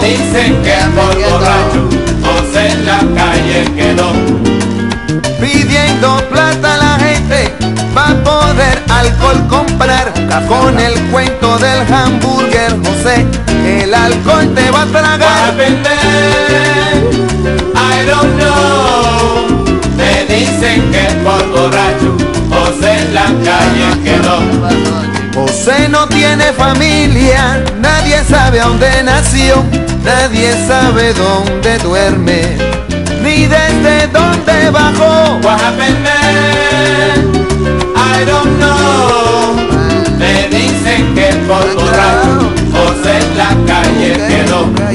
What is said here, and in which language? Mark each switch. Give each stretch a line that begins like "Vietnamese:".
Spanish: Me dicen que por borracho José en la calle quedó. Pidiendo plata a la gente pa' poder alcohol comprar. Con el cuento del hamburger, José, el alcohol te va a tragar.
English: What happened, man? I don't know.
Spanish: Dicen que por borracho José en la calle quedó. José no tiene familia, nadie sabe a dónde nació, nadie sabe dónde duerme, ni desde dónde bajó.
English: What happened, man? I don't know.
Spanish: Me dicen que por borracho José en la calle quedó.